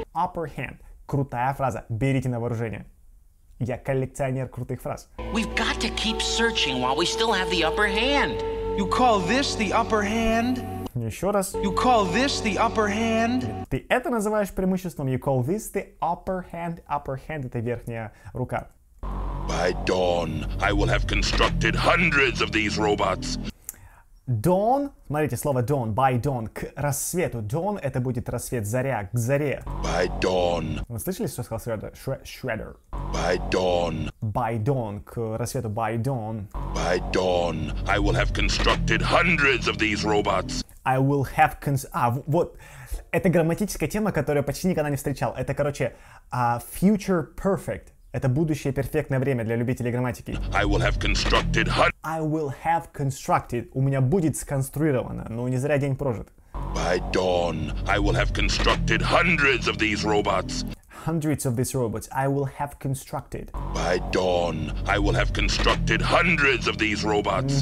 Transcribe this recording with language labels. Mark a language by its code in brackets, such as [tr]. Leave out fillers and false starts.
[ru] Upper hand. Крутая фраза. Берите на вооружение. Я коллекционер крутых фраз. [en] We've got to keep searching while we still have the upper hand. You call this the upper hand? [ru] Еще раз. [en] You call this the upper hand? [ru] Ты это называешь преимуществом? [en] You call this the upper hand? Upper hand — [ru] это верхняя рука. [en] By dawn, I will have constructed hundreds of these robots. [ru] Dawn, смотрите, слово dawn, [en] by dawn, [ru] к рассвету. Dawn — это будет рассвет, заря, к заре. [en] By dawn. [ru] Вы слышали, что сказал Shredder? [en] By dawn. By dawn, [ru] к рассвету, [en] by dawn. By dawn, I will have constructed hundreds of these robots. I will have [ru] вот, это грамматическая тема, которую почти никогда не встречал. Это, короче, future perfect. Это будущее перфектное время для любителей грамматики. [en] I will have constructed. I will have constructed. [ru] У меня будет сконструировано. Ну, не зря день прожит. [en] By dawn, I will have constructed hundreds of these robots. Hundreds of these robots. I will have constructed. By dawn, I will have constructed hundreds of these robots.